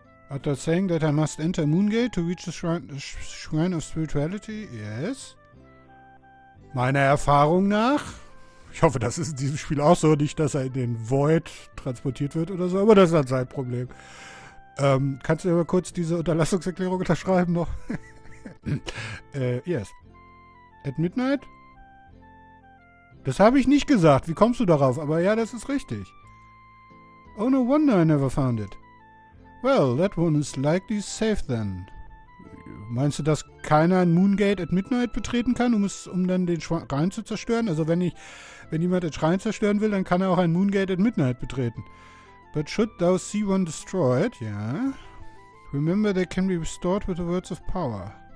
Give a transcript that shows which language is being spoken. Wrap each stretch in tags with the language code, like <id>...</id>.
<en>After saying that I must enter Moongate to reach the shrine of spirituality? Yes.</en> <de>Meiner Erfahrung nach, ich hoffe, das ist in diesem Spiel auch so, nicht, dass er in den Void transportiert wird oder so, aber das ist dann sein Problem. Kannst du aber kurz diese Unterlassungserklärung unterschreiben noch?</de> <en>yes. At midnight?</en> <de>Das habe ich nicht gesagt. Wie kommst du darauf? Aber ja, das ist richtig.</de> <en>Oh, no wonder I never found it. Well, that one is likely safe then.</en> <de>Meinst du, dass keiner ein Moongate</de> <en>at midnight</en> <de>betreten kann, um dann den Schrein zu zerstören? Also wenn jemand den Schrein zerstören will, dann kann er auch ein Moongate</de> <en>at midnight</en> <de>betreten.</de> <en>But should thou see one destroyed, yeah. Remember, they can be restored with the words of power.</en>